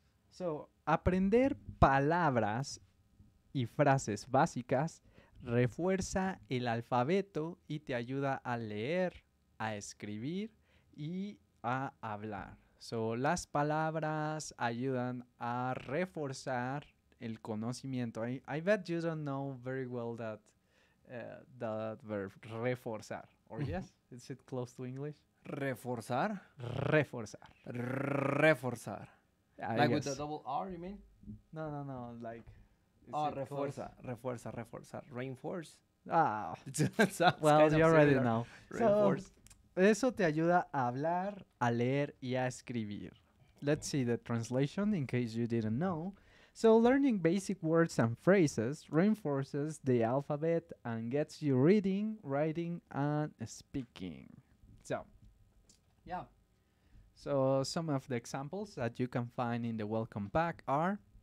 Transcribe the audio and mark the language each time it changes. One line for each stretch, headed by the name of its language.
Spanish: So, aprender palabras y frases básicas refuerza el alfabeto y te ayuda a leer, a escribir y a hablar. So, las palabras ayudan a reforzar el conocimiento.
English: I bet you don't know very well that that verb, reforzar. Or yes, is it close to English?
Spanish: Reforzar. Reforzar.
English: Reforzar. Like with the double R, you mean? No, like... Oh, refuerza, reinforce. Ah, well, you already know. Reinforce.
Spanish: So, eso te ayuda a hablar, a leer y a escribir.
English: Let's see the translation in case you didn't know. So, learning basic words and phrases reinforces the alphabet and gets you reading, writing, and speaking. So, yeah. So, some of the examples that you can find in the welcome pack are